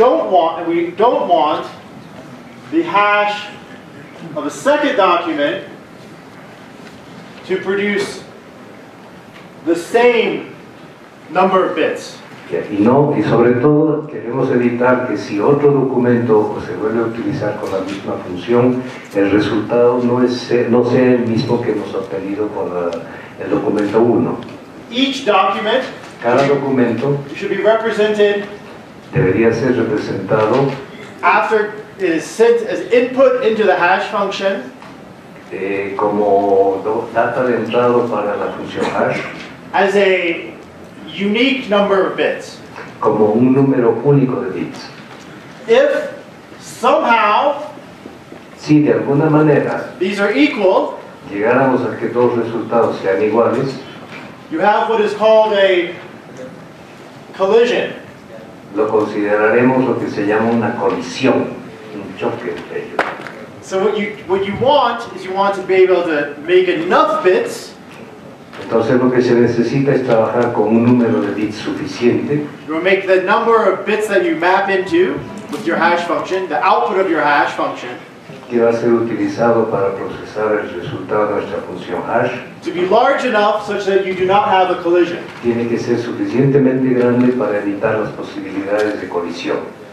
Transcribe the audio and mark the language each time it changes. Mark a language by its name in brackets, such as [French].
[English] And we don't want the hash of a second document to produce the same number of bits. [Spanish] Y no, y sobre todo queremos evitar que si otro documento se vuelve a utilizar con la misma función, el resultado no sea el mismo que hemos obtenido con el documento 1. [English] Each document, [Spanish] cada documento, [English] should be represented, [Spanish] debería ser representado, [English] after it is sent as input into the hash function, [Spanish] como data de entrada para la función hash, [English] as a unique number of bits. [Spanish] Como un número único de bits. [English] If somehow, [Spanish] si de alguna manera, [English] these are equal, [Spanish] llegáramos a que todos resultados sean iguales, [English] you have what is called a collision. [Spanish] Lo consideraremos lo que se llama una colisión, un choque entre ellos. [English] So what you want is you want to be able to make enough bits. [Spanish] Entonces lo que se necesita es trabajar con un número de bits suficiente. [English] You will make the number of bits that you map into with your hash function, the output of your hash function, [Spanish] que va a ser utilizado para procesar el resultado de nuestra función hash, [English] to be large enough such that you do not have a collision. [Spanish] Tiene que ser suficientemente grande para evitar las posibilidades de colisión.